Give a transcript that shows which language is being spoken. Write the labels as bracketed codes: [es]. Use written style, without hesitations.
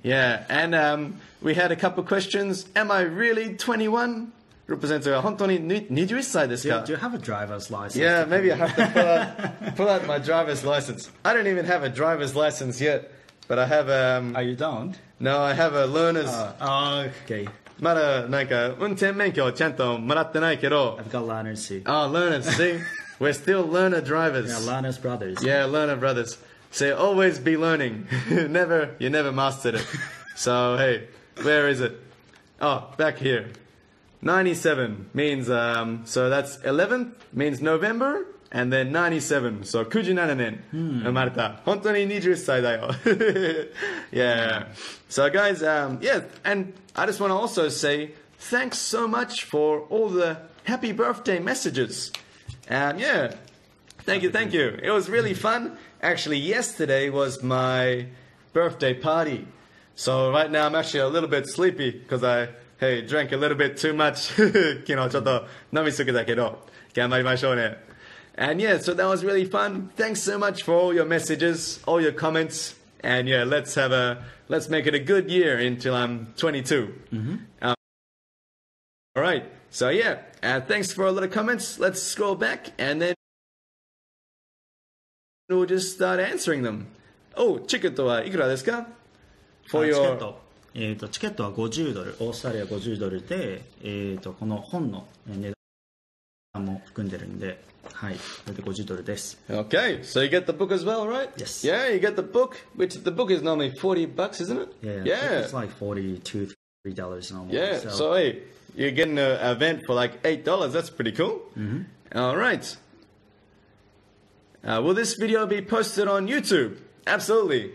[en] Yeah, and we had a couple questions. Am I really 21? [ja] Rupasensei, 本当に21歳ですか? [en] Do you have a driver's license? Yeah, maybe I have to pull out my driver's license. I don't even have a driver's license yet, but I have a... Oh, you don't? No, I have a learner's... Okay. [ja] まだなんか運転免許をちゃんともらってないけど [en] I've got learner's see. Oh, learner's, see? We're still learner drivers. Yeah, learner's brothers. Yeah, learner brothers. Say, always be learning. you never mastered it. So, hey, where is it? Oh, back here. 97 means, so that's 11th, means November, and then 97. [ja] So, 97 年生まれた。本当に21歳だよ。Yeah. [en] So, guys, yeah, and I just want to also say thanks so much for all the happy birthday messages. Yeah. Thank you. It was really fun. Actually, yesterday was my birthday party. So, right now, I'm actually a little bit sleepy because I drank a little bit too much. [ja] 昨日ちょっと飲みすぎたけど、頑張りましょうね。 [en] And yeah, so that was really fun. Thanks so much for all your messages, all your comments. And yeah, let's make it a good year until I'm 22. Mm-hmm. All right. So yeah, thanks for a lot of comments. Let's scroll back and then we'll just start answering them. [ja] Oh, チケットはいくらですか? [en] For your... [ja] チケットは50ドル、オーストラリア50ドルで、この本の値段も含んでるんで、はい、それで50ドルです。 [en] Okay, so you get the book as well, right? Yes. Yeah, you get the book, which the book is normally 40 bucks, isn't it? Yeah. It's like $42-$43 normally. Yeah, so hey, you're getting an event for like $8, that's pretty cool. Mm-hmm. All right. Will this video be posted on YouTube? Absolutely.